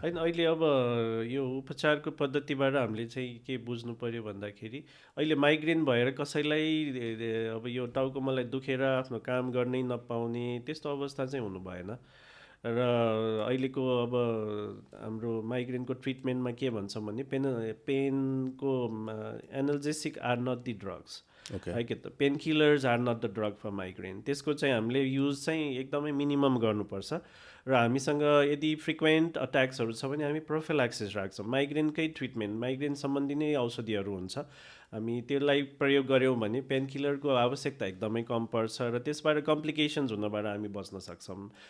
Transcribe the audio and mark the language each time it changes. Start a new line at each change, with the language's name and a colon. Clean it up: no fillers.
Nepali: होइन, अहिले अब यो उपचारको पद्धतिबाट हामीले चाहिँ के बुझ्नु पऱ्यो भन्दाखेरि, अहिले माइग्रेन भएर कसैलाई अब यो टाउको मलाई दुखेर आफ्नो काम गर्नै नपाउने त्यस्तो अवस्था चाहिँ हुनु भएन. र अहिलेको अब हाम्रो माइग्रेनको ट्रिटमेन्टमा के भन्छौँ भने, पेनको
English: analgesic are not the drugs,
Nepali: है कि त
English: Painkillers are not the drug for migraine.
Nepali: त्यसको चाहिँ हामीले युज चाहिँ एकदमै मिनिमम गर्नुपर्छ. र हामीसँग यदि फ्रिक्वेन्ट अट्याक्सहरू छ भने हामी प्रोफिलाक्सिस राख्छौँ. माइग्रेनकै ट्रिटमेन्ट, माइग्रेन सम्बन्धी नै औषधिहरू हुन्छ, हामी त्यसलाई प्रयोग गऱ्यौँ भने पेनकिलरको आवश्यकता एकदमै कम पर्छ र त्यसबाट कम्प्लिकेसन्स हुनबाट हामी बच्न सक्छौँ.